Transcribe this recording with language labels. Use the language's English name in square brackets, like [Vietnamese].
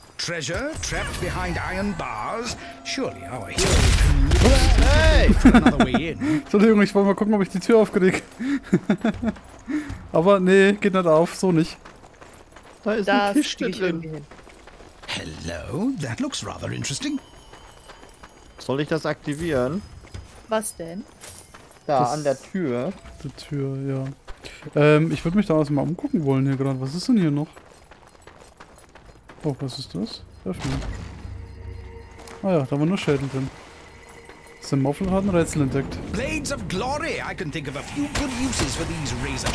[English] Treasure trapped behind iron bars? Surely our heroes can use it for another way in. [German] Entschuldigung, ich wollte mal gucken, ob ich die Tür aufkriege. Aber nee, geht nicht auf, so nicht. Da ist eine Kiste drin. [English] Hello, that looks rather interesting. [German] Soll ich das aktivieren? Was denn? Da, das an der Tür. Die Tür, ja. Ich würde mich da erstmal umgucken wollen hier gerade. Was ist denn hier noch? Oh, was ist das? Öffnen. Ah ja, da waren nur Schäden drin. Sam Moffel hat ein Rätsel entdeckt. [English] Blades of Glory! I can think of a few good uses for these razor